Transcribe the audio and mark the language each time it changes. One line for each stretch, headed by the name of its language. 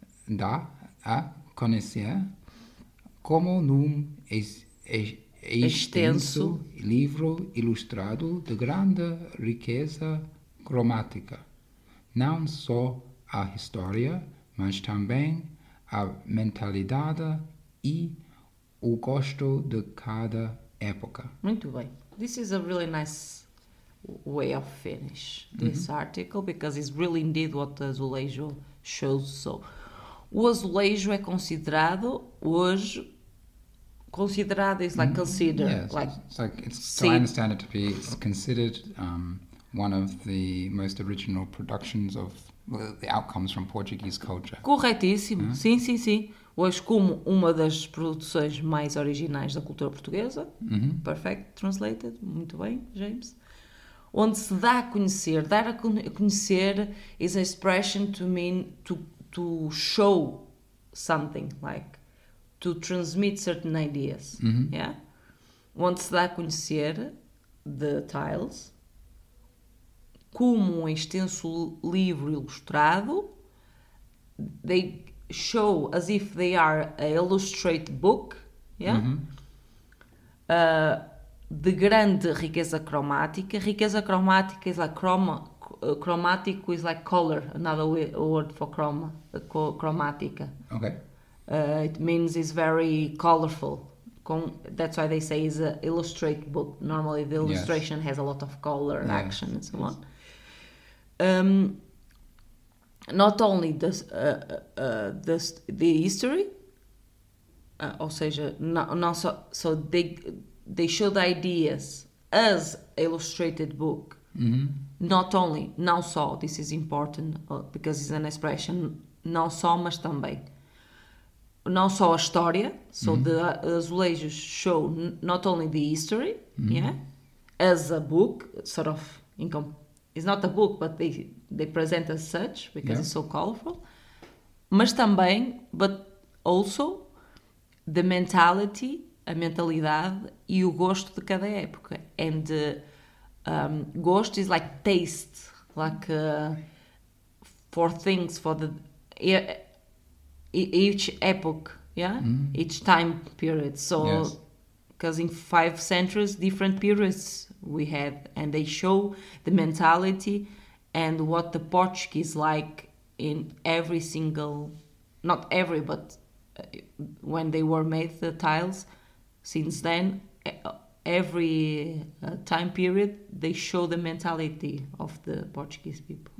Portuguese: dá a conhecer como num extenso livro ilustrado de grande riqueza cromática, não só a história, mas também a mentalidade e o gosto de cada época. Muito bem.
English: This is a really nice way of finish this article, because it's really indeed what the Azulejo shows.
Portuguese: So, o Azulejo é considerado hoje, considerado
English: is like considered. Yeah, so I understand it to be, it's considered one of the most original productions of the outcomes from Portuguese culture.
Portuguese: Corretíssimo, sim. Hoje como uma das produções mais originais da cultura portuguesa. Mm-hmm.
English: Perfect, translated,
Portuguese: muito bem, James. Onde se dá a conhecer. Dar a conhecer
English: is an expression to mean to show something, like to transmit certain ideas. Mm-hmm. Yeah?
Portuguese: Onde se dá a conhecer
English: the tiles
Portuguese: como um extenso livro ilustrado.
English: They show as if they are an illustrated book. Yeah? Mm-hmm.
Portuguese: De grande riqueza cromática. Riqueza cromática
English: is like chroma. Chromático is like color. Another word for chroma.
Portuguese: Chromática.
English: Okay. It means it's very colorful. That's why they say it's an illustrated book. Normally the illustration has a lot of color and action and so on. Not only the history,
Portuguese: ou seja, não só,
English: so they show the ideas as illustrated book. Mm-hmm. Not only, não só, this is important because it's an expression,
Portuguese: não só, mas também. Não só a história,
English: so the Azulejos show not only the history, as a book, sort of, it's not a book, but they present as such, because it's so colorful.
Portuguese: Mas também,
English: but also, the mentality,
Portuguese: a mentalidade e o gosto de cada época.
English: And gosto is like taste, like for things, for the each epoch, each time period. So, because in 5 centuries, different periods we had, and they show the mentality and what the Portuguese like in every single, not every, but when they were made, the tiles, since then, every time period, they show the mentality of the Portuguese people.